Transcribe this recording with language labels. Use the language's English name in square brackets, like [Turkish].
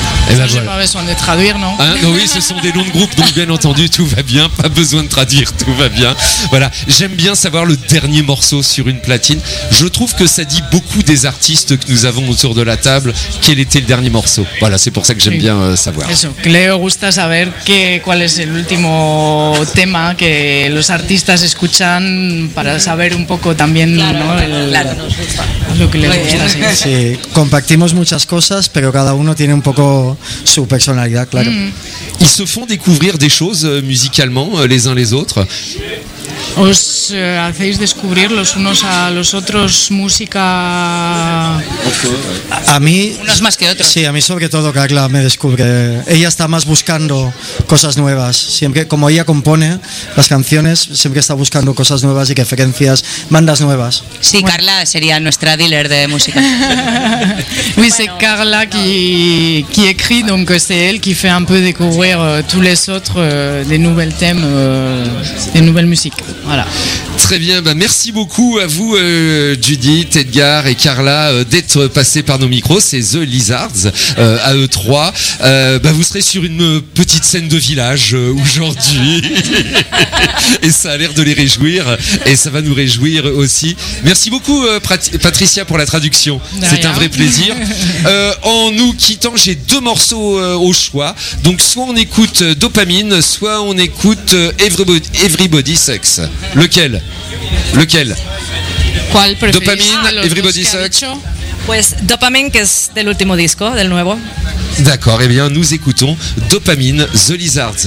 [French] Eh ben, voilà. J'ai pas besoin de traduire, non? Hein, non? Oui, ce sont des noms de groupe, donc bien entendu, tout va bien, pas besoin de traduire, tout va bien. Voilà, j'aime bien savoir le dernier morceau sur une platine. Je trouve que ça dit beaucoup des artistes que nous avons autour de la table, quel était le dernier morceau. Voilà, c'est pour ça que j'aime bien savoir. [Spanish] Eso, Cleo gusta saber que, cuál es el último tema que los artistas escuchan para saber un poco también, claro, ¿no? Claro, nos gusta. Lo que les gusta, sí. Sí, compartimos muchas cosas, pero cada uno tiene un poco su personalidad, claro. Mm. [French] Ils se font découvrir des choses musicalement les uns les autres. [Spanish] Os hacéis descubrir los unos a los otros música. A mí. Unos más que otros. Sí, a mí sobre todo Carla me descubre. Ella está más buscando cosas nuevas. Siempre, como ella compone las canciones, siempre está buscando cosas nuevas y referencias, bandas nuevas. Sí, bueno. Carla sería nuestra dealer de música. [French] Oui, c'est Carla qui écrit, donc c'est elle qui fait un peu découvrir tous les autres des nouveaux thèmes, des nouvelles musiques. Voilà. Très bien, bah merci beaucoup à vous Judith, Edgar et Carla d'être passés par nos micros. C'est The Lizards à eux trois. Bah vous serez sur une petite scène de village aujourd'hui. Et ça a l'air de les réjouir et ça va nous réjouir aussi. Merci beaucoup Patricia pour la traduction. D'ailleurs. C'est un vrai plaisir. En nous quittant, j'ai deux morceaux au choix. Donc soit on écoute Dopamine, soit on écoute Everybody Sucks. Lequel? [Spanish] ¿Cuál preferís? Dopamine, Everybody Sucks. Pues Dopamine, que es del último disco, del nuevo. [French] D'accord, et bien nous écoutons Dopamine, The Lizards.